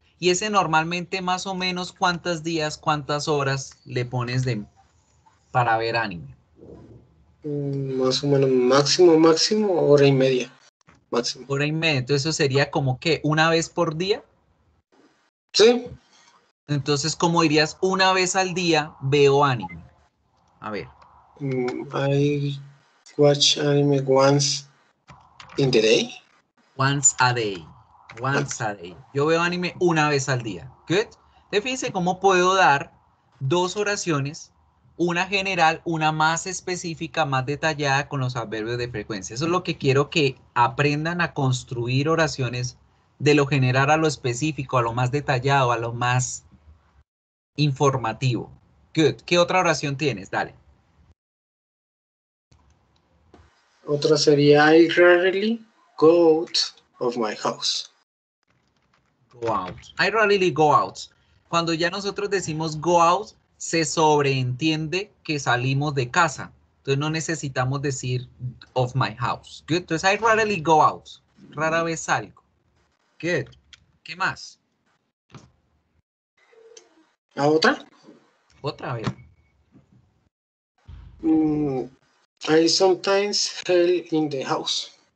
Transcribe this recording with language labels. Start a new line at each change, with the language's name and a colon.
Spanish: Y ese normalmente, más o menos, ¿cuántos días, cuántas horas le pones de para ver anime? Más o menos, máximo, hora y media. Máximo. Hora y media, entonces eso sería como que una vez por día. Sí. Entonces, ¿cómo dirías una vez al día veo anime? A ver.
English: I watch anime once in the day. Once a day. Once a day.
Spanish: Yo veo anime una vez al día.
English: Good.
Spanish: Fíjense cómo puedo dar dos oraciones, una general, una más específica, más detallada con los adverbios de frecuencia. Eso es lo que quiero que aprendan, a construir oraciones de lo general a lo específico, a lo más detallado, a lo más informativo.
English: Good.
Spanish: ¿Qué otra oración tienes? Dale. Otra sería,
English: I rarely go out of my house. Go out. I rarely go out.
Spanish: Cuando ya nosotros decimos
English: go out,
Spanish: se sobreentiende que salimos de casa. Entonces no necesitamos decir
English: of my house. Good. Entonces I rarely go out.
Spanish: Rara vez salgo.
English: Good.
Spanish: ¿Qué más? ¿La otra? Otra vez.
English: I sometimes hell in the house.